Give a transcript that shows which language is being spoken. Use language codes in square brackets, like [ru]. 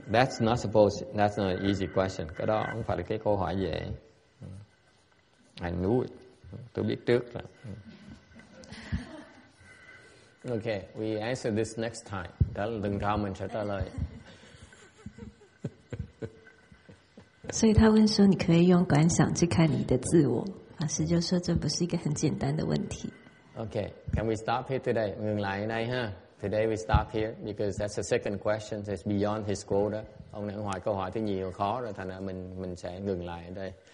[en] That's not an easy question. [vi] Cái đó không phải là cái câu hỏi dễ. [en] I knew it. [vi] Tôi biết trước là. [en] Okay, we answer this next time. [vi] Đó là lần sau mình sẽ trả lời. [zh] 所以他问说 你可以用观想去看你的自我 法师就说 这不是一个很简单的问题 [en] Okay, can we stop here today? [zh] 我们来呢, [en] huh? Today we stop here because that's the second question. It's beyond his quota. [vi] Ông này hỏi câu hỏi thứ nhiều khó rồi, thành ra mình sẽ ngừng lại ở đây.